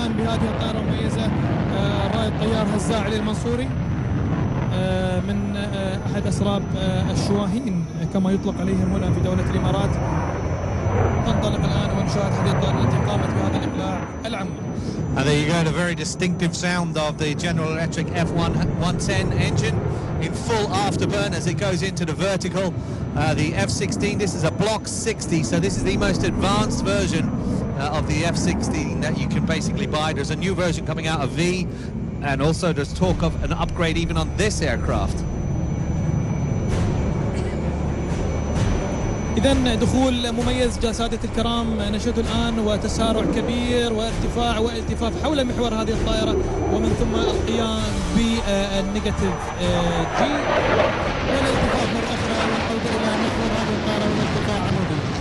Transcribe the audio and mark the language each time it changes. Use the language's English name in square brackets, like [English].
[Arabic] هذه الطائرة مميزة، رائد طيار هزاع علي المنصوري من أحد أسراب الشواهين كما يطلق عليهم هنا في دولة الإمارات. تنطلق الآن ونشاهد هذه الطائرة التي قامت بهذا الإقلاع العام. [English] And there you go, a very distinctive sound of the General Electric F110 engine in full afterburn as it goes into the vertical. The F-16, this is a Block 60, so this is the most advanced version of the F-16 that you can basically buy. There's a new version coming out of V, and also there's talk of an upgrade even on this aircraft. [Arabic] إذن دخول مميز جسادة الكرام نشهد الآن، وتسارع كبير وارتفاع والتفاف حول محور هذه الطائرة، ومن ثم القيام بالنيجاتيف جي والالتفاف مرة أخرى والعودة إلى محور هذه الطائرة والارتفاع عمودي.